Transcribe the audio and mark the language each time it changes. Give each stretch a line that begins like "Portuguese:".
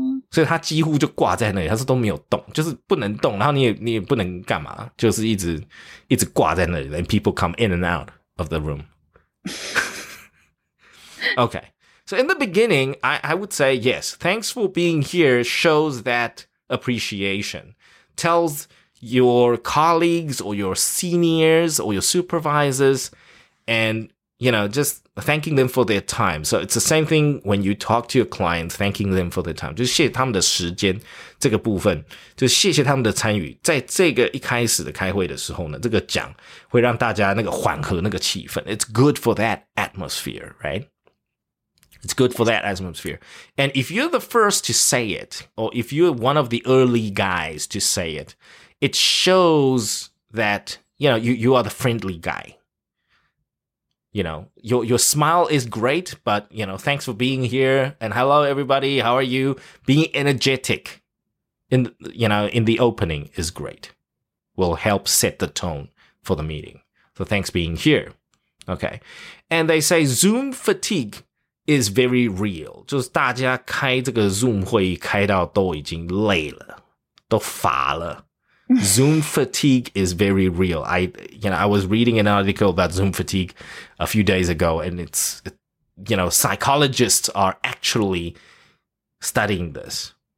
Chinese: 所以他几乎就挂在那里，他是都没有动，就是不能动，然后你也不能干嘛，就是一直挂在那里。
English: And people come in and out of the room. Okay, so in the beginning, I would say yes. Thanks for being here. Shows that appreciation. Tells your colleagues or your seniors or your supervisors, and you know, just thanking them for their time. So it's the same thing when you talk to your clients, thanking them for their time.
Chinese: 就谢谢他们的时间这个部分，就谢谢他们的参与。在这个一开始的开会的时候呢，这个讲会让大家那个缓和那个气氛。
English: It's good for that atmosphere, right? It's good for that atmosphere. And if you're the first to say it, or if you're one of the early guys to say it, it shows that, you know, you are the friendly guy. You know, your smile is great, but, you know, thanks for being here. And hello, everybody. How are you? Being energetic in, you know, in the opening is great. Will help set the tone for the meeting. So thanks being here. Okay. And they say Zoom fatigue. Is very real.
Chinese: 就是大家开这个 Zoom 会议开到都已经累了，都乏了。
English: Zoom fatigue is very real. I was reading an article about Zoom fatigue a few days ago, and it's psychologists are actually studying this.